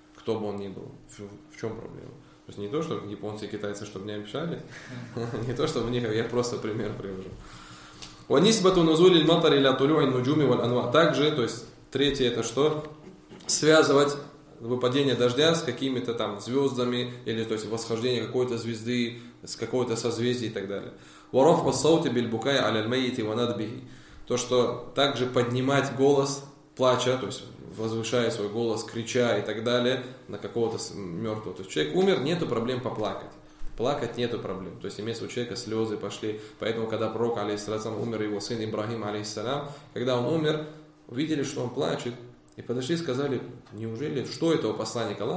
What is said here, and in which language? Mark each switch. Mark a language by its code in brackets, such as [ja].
[ru] Кто бы он ни был, в чем проблема? То есть не то, чтобы японцы и китайцы, чтобы не обещали, не то, чтобы них, я просто пример привожу. [ar] وَنِسْبَةُ نُزُولِ الْمَطَرِ إِلَى طُلُوعِ النُّجُومِ وَالْأَنْوَارِ. [ru] Также, то есть, третье, это что? Связывать выпадение дождя с какими-то там звездами, или, то есть, восхождение какой-то звезды, с какой-то созвездия и так далее. [ar] وَرَفْقَ الصَّوْتِ بِالْبُكَيَ عَلَى الْمَيِّتِ وَنَدْبِهِ. [ru] То, что также поднимать голос плача, то есть возвышая свой голос, крича и так далее, на какого-то мертвого. То есть человек умер, нету проблем поплакать. Плакать нету проблем. То есть, вместо у человека слезы пошли. Поэтому, когда пророк, алейхиссалям, умер, его сын Ибрахим, алейхиссалям, когда он умер, увидели, что он плачет, и подошли и сказали, неужели, что это у посланника Аллаха?